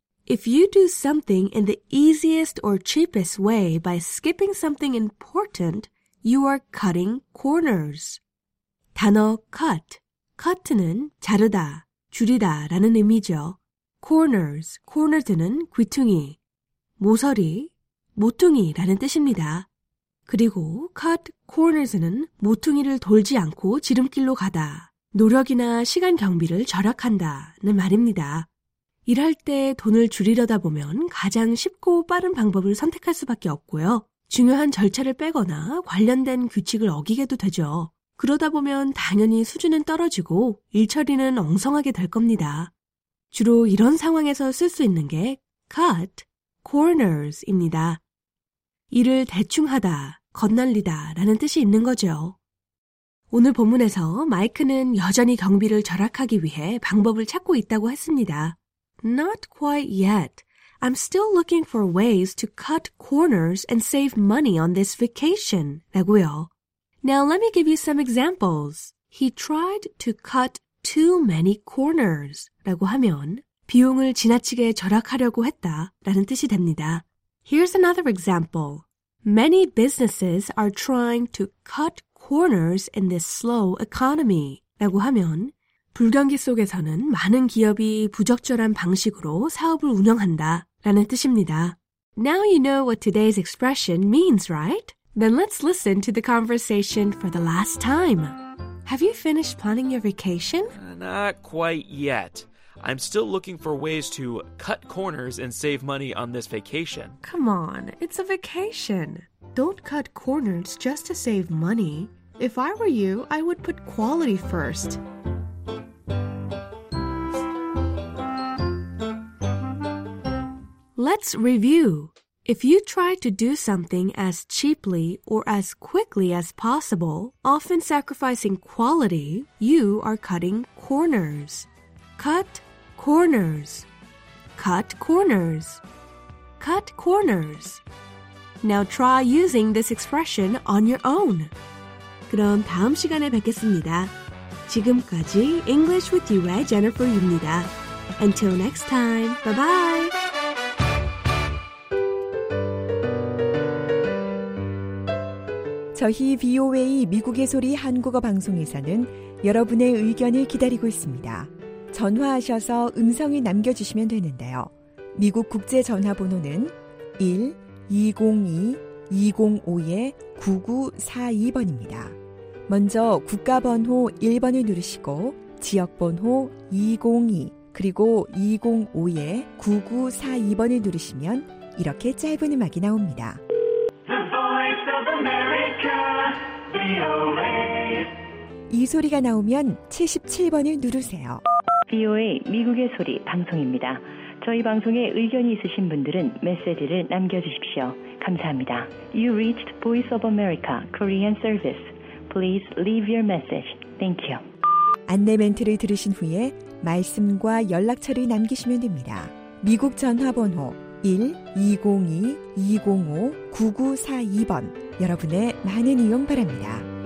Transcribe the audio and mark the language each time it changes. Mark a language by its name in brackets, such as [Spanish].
[English] If you do something in the easiest or cheapest way by skipping something important, you are cutting corners. [Korean] 단어 cut, cut는 자르다, 줄이다 라는 의미죠. Corners, corners는 귀퉁이, 모서리, 모퉁이라는 뜻입니다. 그리고 cut corners는 모퉁이를 돌지 않고 지름길로 가다, 노력이나 시간 경비를 절약한다는 말입니다. 일할 때 돈을 줄이려다 보면 가장 쉽고 빠른 방법을 선택할 수밖에 없고요. 중요한 절차를 빼거나 관련된 규칙을 어기게도 되죠. 그러다 보면 당연히 수준은 떨어지고 일처리는 엉성하게 될 겁니다. 주로 이런 상황에서 쓸 수 있는 게 cut corners입니다. 일을 대충하다, 겉날리다 라는 뜻이 있는 거죠. 오늘 본문에서 마이크는 여전히 경비를 절약하기 위해 방법을 찾고 있다고 했습니다. [English] Not quite yet. I'm still looking for ways to cut corners and save money on this vacation. [Korean] 라고요. [English] Now let me give you some examples. He tried to cut too many corners. [Korean] 라고 하면 비용을 지나치게 절약하려고 했다 라는 뜻이 됩니다. [English] Here's another example. Many businesses are trying to cut corners in this slow economy. [Korean] 라고 하면 불경기 속에서는 많은 기업이 부적절한 방식으로 사업을 운영한다 라는 뜻입니다. [English] Now you know what today's expression means, right? Then let's listen to the conversation for the last time. Have you finished planning your vacation? Not quite yet. I'm still looking for ways to cut corners and save money on this vacation. Come on, it's a vacation. Don't cut corners just to save money. If I were you, I would put quality first. Let's review. If you try to do something as cheaply or as quickly as possible, often sacrificing quality, you are cutting corners. Cut corners. Cut corners. Cut corners. Now try using this expression on your own. [Korean] 그럼 다음 시간에 뵙겠습니다. 지금까지 English with You의 Jennifer입니다. [English] Until next time, bye-bye. [Korean] 저희 VOA 미국의 소리 한국어 방송에서는 여러분의 의견을 기다리고 있습니다. 전화하셔서 음성을 남겨주시면 되는데요. 미국 국제전화번호는 1-202-2052-9942번입니다. 먼저 국가번호 1번을 누르시고 지역번호 202 그리고 205-9942번을 누르시면 이렇게 짧은 음악이 나옵니다. [English] The Voice of America, VOA. [Korean] 이 소리가 나오면 77번을 누르세요. VOA 미국의 소리 방송입니다. 저희 방송에 의견이 있으신 분들은 메시지를 남겨주십시오. 감사합니다. [English] You reached Voice of America Korean Service. Please leave your message. Thank you. [Korean] 안내 멘트를 들으신 후에 말씀과 연락처를 남기시면 됩니다. 미국 전화번호 1-202-205-9942번 여러분의 많은 이용 바랍니다.